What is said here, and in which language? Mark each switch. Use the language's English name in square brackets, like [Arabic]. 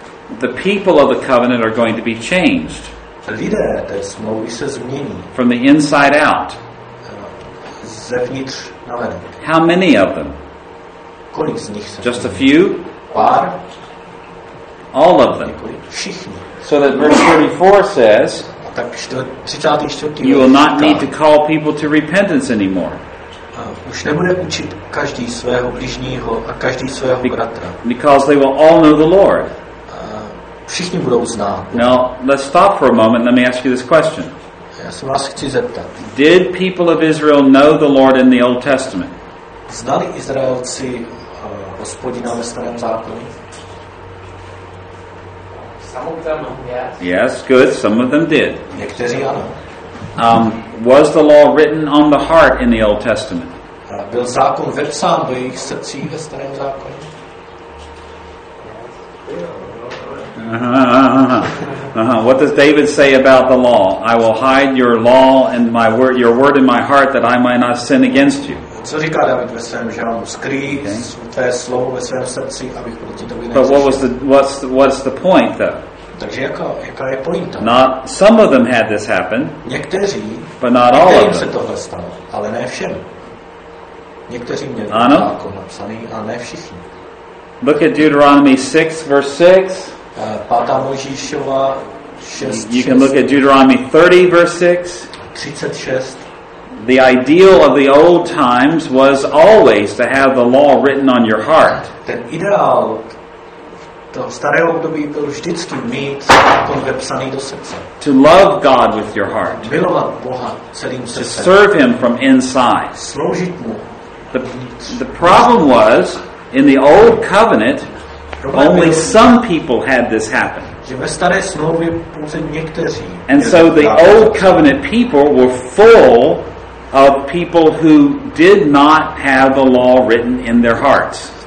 [English] The people of the covenant are going to be changed. [Czech] Lidé té smlouvy se změní. [English] From the inside out. [Czech] Zevnitř na venek. [English] How many of them? [Czech] Kolik z nich? [English] Just a few? [Czech] Pár? [English] All of them. [Czech] Několik. Všichni. [English] So that verse 34 says, [Czech] a tak 34. [English] You will not need to call people to repentance anymore. [Czech] Už nebude učit každý svého bližního a každý svého bratra. [English] Because they will all know the Lord. [Czech] Všichni budou znát. [English] Now, let's stop for a moment and let me ask you this question. [Czech] Já se vás chci zeptat. [English] Did people of Israel know the Lord in the Old Testament? [Czech] Znali Izraelci Hospodina ve starém zákoně? [English] Yes, good. Some of them did. [Czech] Někteří ano. [English] Was the law written on the heart in the Old Testament? [Czech] Byl zákon vepsán do jejich srdcí ve starém zákoně? [English] What does David say about the law? I will hide your law and my word, your word in my heart, that I might not sin against you. [Czech] Co říká David ve svém žalmu? Skrýt své slovo ve svém srdci, abych proti tobě nezřešil. [English] But what's the point, though? [Czech] Takže jaká je pointa? [English] Not some of them had this happen. [Czech] Někteří. [English] But not all of them. [Czech] Se tohle stalo, ale ne všem. Někteří měli zákon napsaný, a ne všichni. [English] Look at Deuteronomy 6, verse 6. [Czech] Pátá Mojžíšova 6. [English] You can look at Deuteronomy 30, verse 6. 36. The ideal of the old times was always to have the law written on your heart. [Czech] Ten ideál toho starého období byl vždycky mít zákon vepsaný do srdce. [English] To love God with your heart. [Czech] Milovat Boha celým srdcem. [English] To serve Him from inside. [Czech] Sloužit Mu. [English] The problem was, in the old covenant, only some people had this happen. And so the old covenant people were full of people who did not have the law written in their hearts.